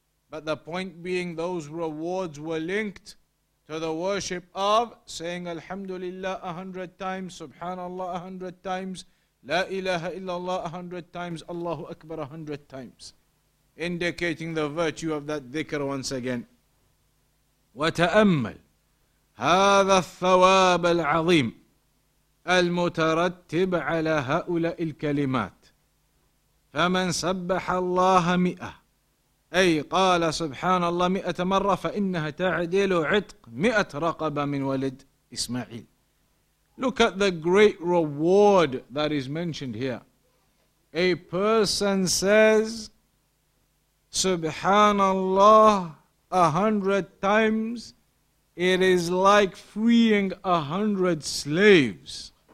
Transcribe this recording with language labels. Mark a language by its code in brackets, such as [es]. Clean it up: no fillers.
[en] But the point being, those rewards were linked to the worship of saying Alhamdulillah 100 times, Subhanallah 100 times, La ilaha illallah 100 times, Allahu Akbar 100 times, indicating the virtue of that dhikr once again. [ar] وتأمل هذا الثواب العظيم المترتب على هؤلاء الكلمات فمن سبح الله 100 أي قال سبحان الله 100 مرة فإنها تعدل عتق 100 رقبة من ولد إسماعيل. [en] Look at the great reward that is mentioned here. A person says سبحان الله 100 times, it is like freeing 100 slaves.